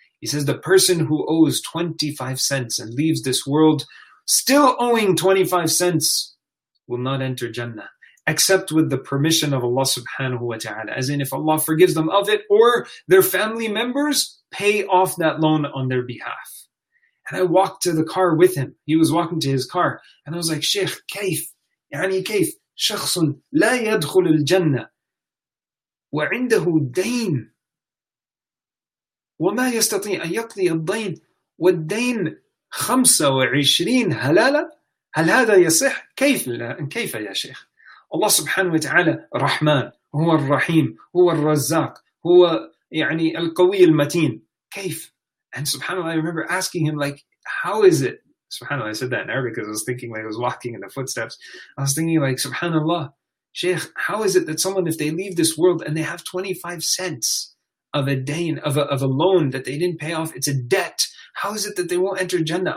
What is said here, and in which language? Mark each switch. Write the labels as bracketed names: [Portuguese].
[English] He says, the person who owes 25 cents and leaves this world still owing 25 cents will not enter Jannah, except with the permission of Allah subhanahu wa ta'ala, as in if Allah forgives them of it, or their family members pay off that loan on their behalf. And I walked to the car with him. He was walking to his car. And I was like, Sheikh, [Arabic] كيف? يعني كيف? شخص لا يدخل الجنة وعنده دين وما يستطيع أن يقضي الدين والدين 25 هلالة هل هذا يصح كيف لا كيف يا شيخ الله سبحانه وتعالى رحمن هو الرحيم هو الرزاق هو يعني القوي المتين كيف. [English] And subhanAllah, I remember asking him, like, how is it? SubhanAllah, I said that in Arabic because I was thinking, like, I was walking in the footsteps. I was thinking, like, SubhanAllah, Shaykh, how is it that someone, if they leave this world and they have 25 cents of a dain, of a loan that they didn't pay off, it's a debt, how is it that they won't enter Jannah?